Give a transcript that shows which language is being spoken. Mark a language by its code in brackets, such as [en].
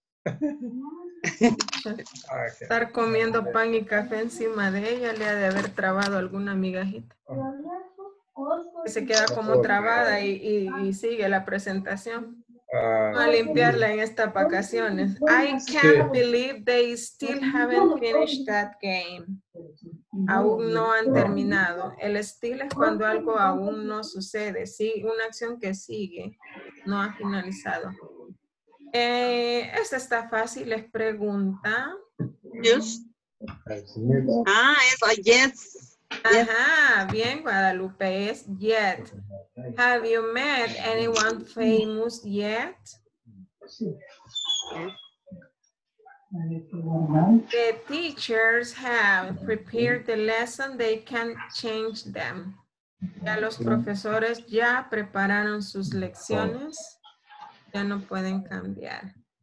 [es] Okay. Estar comiendo pan y café encima de ella le ha de haber trabado alguna migajita. Se queda como trabada y sigue la presentación. A limpiarla en estas vacaciones. [en] I can't believe they still haven't finished that game. [es] Aún no han terminado. El still es cuando algo aún no sucede. Sí, una acción que sigue. No ha finalizado. Esta está fácil. Les pregunta. Yes. Ah, es yes. Ajá, bien, Guadalupe, es yet. [en] Have you met anyone famous yet? The teachers have prepared the lesson, they can change them. [es] Ya los profesores ya prepararon sus lecciones, ya no pueden cambiar.